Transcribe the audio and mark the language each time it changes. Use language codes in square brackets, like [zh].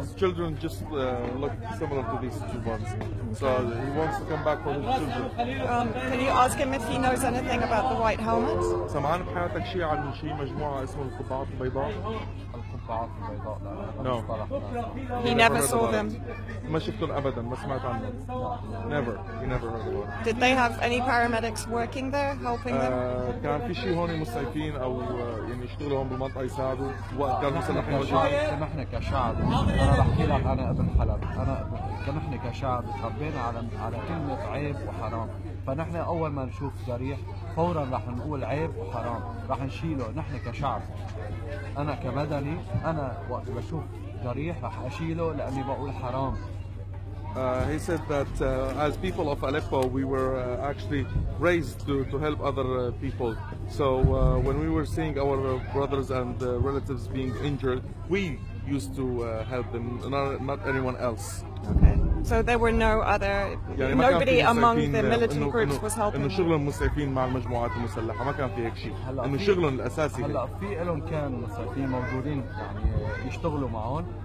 [en] His children just look similar to these two ones. So he wants to come back for his children. Can you ask him if he knows anything about the white helmets? [ar] سمعان بحياتك شيء عن شيء مجموعة اسمه القبعات البيضاء؟ القبعات البيضاء لا. [en] No. He never saw them. [ar] ما شفتهم أبدا ما سمعت عنهم. [en] Never. He never heard of them. Did they have any paramedics working there helping them? [ar] كان في شيء هون مسعفين أو يعني يشتغلون بالمنطقة يساعدوا وقت كانوا مسلحين نحن كشعب أنا بحكي لك أنا ابن حلب أنا نحن كشعب تربينا على كلمة عيب وحرام فنحن أول ما نشوف جريح فورا رح نقول عيب وحرام رح نشيله نحن كشعب أنا كمدني أنا وقت بشوف جريح رح أشيله لأني بقول حرام. [en] He said that as people of Aleppo, we were actually raised to help other people. So when we were seeing our brothers and relatives being injured, we used to help them, not anyone else. Okay. So there were no other, [ar] يعني [en] nobody among the military groups was helping. [ar] إنه شغلهم مسعفين مع المجموعات المسلحة ما كان في هيك شيء. إنه شغلهم الأساسي. هلا في إلهم كان مسعفين موجودين يعني يشتغلوا معهم.